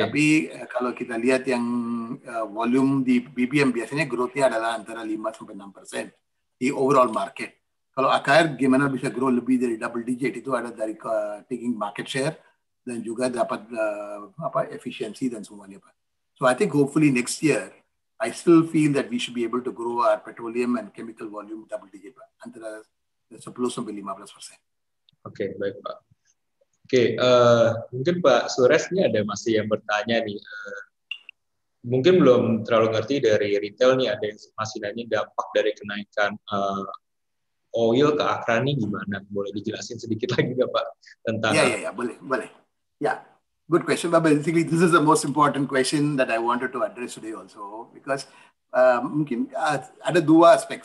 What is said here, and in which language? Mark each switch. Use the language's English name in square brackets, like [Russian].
[Indonesian] Tapi kalau kita lihat yang volume di BBM biasanya growth-nya adalah antara 5-6% di overall market. Kalau AKR gimana bisa grow lebih dari double digit itu ada dari taking market share dan juga dapat efisiensi dan semuanya Pak. [English] So I think hopefully next year I still feel that we should be able to grow our petroleum and chemical volume double digit Pak. [Indonesian] Antara 10-15%. Oke, okay, baik Pak. Oke, okay, mungkin Pak Sures ini ada masih yang bertanya nih. Mungkin belum terlalu ngerti dari retail nih, ada yang masih nanya dampak dari kenaikan oil ke Akra nih gimana? Boleh dijelasin sedikit lagi nggak Pak tentang? Iya, boleh. Ya, yeah. [English] Good question. But basically, this is the most important question that I wanted to address today also because [Indonesian] mungkin ada dua aspek.